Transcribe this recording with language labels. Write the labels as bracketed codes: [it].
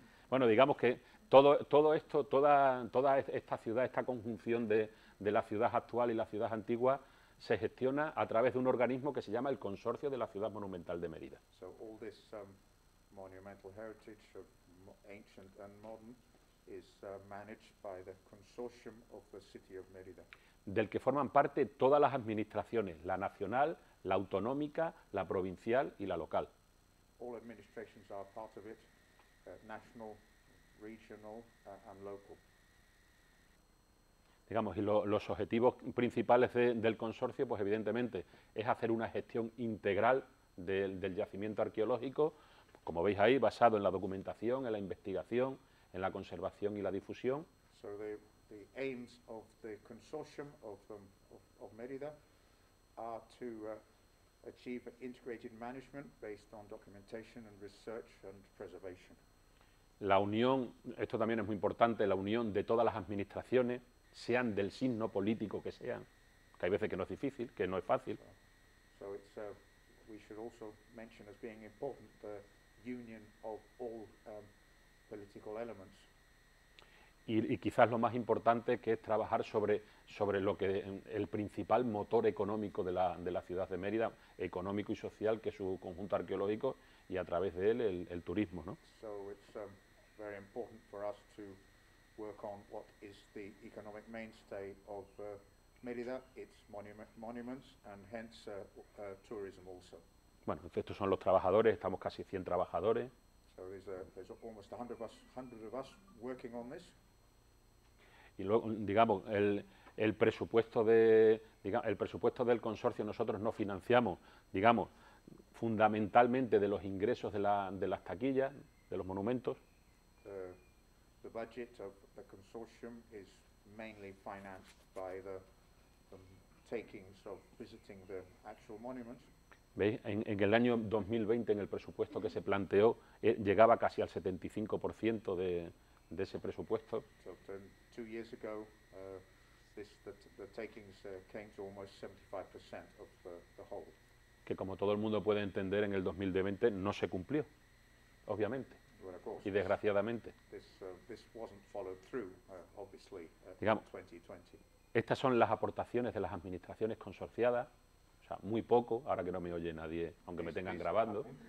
[es] Bueno, digamos que todo esto, toda esta ciudad, esta conjunción de la ciudad actual y la ciudad antigua, se gestiona a través de un organismo que se llama el Consorcio de la Ciudad Monumental de Mérida. [en] So all this monumental heritage of ancient and modern is managed by the Consortium of the City of Mérida. [es] Del que forman parte todas las administraciones, la nacional, la autonómica, la provincial y la local. [en] All administrations are part of it, national, regional, and local. [es] Digamos, y los objetivos principales del consorcio, pues evidentemente, es hacer una gestión integral del yacimiento arqueológico, como veis ahí, basado en la documentación, en la investigación, en la conservación y la difusión. [en] So the aims of the consortium of Mérida are to achieve an integrated management based on documentation and research and preservation. [es] La unión, esto también es muy importante, la unión de todas las administraciones, sean del signo político que sean, que hay veces que no es difícil, que no es fácil. [en] So it's, we should also mention as being important the union of all political elements. [es] Y quizás lo más importante, que es trabajar sobre lo que el principal motor económico de la ciudad de Mérida, económico y social, que es su conjunto arqueológico, y a través de él el turismo, ¿no? [en] So it's very important for us to work on what is the economic mainstay of Mérida, its monuments, and hence tourism also. [es] Bueno, estos son los trabajadores, estamos casi 100 trabajadores. [en] So there's almost 100 of us working on this. [es] Y luego, digamos, el presupuesto del consorcio nosotros nos financiamos, digamos, fundamentalmente de los ingresos de las taquillas, de los monumentos. [en] The budget of the consortium is mainly financed by the takings of visiting the actual monuments. [es] ¿Veis? En el año 2020, en el presupuesto que se planteó, llegaba casi al 75% de ese presupuesto. [en] So, two years ago, the takings came to almost 75% of the whole. [es] Que como todo el mundo puede entender, en el 2020 no se cumplió, obviamente. [en] Well, of course, [es] y desgraciadamente. [en] This wasn't followed through, obviously, [es] digamos, 2020. Estas son las aportaciones de las administraciones consorciadas, o sea, muy poco, ahora que no me oye nadie, aunque me tengan grabando.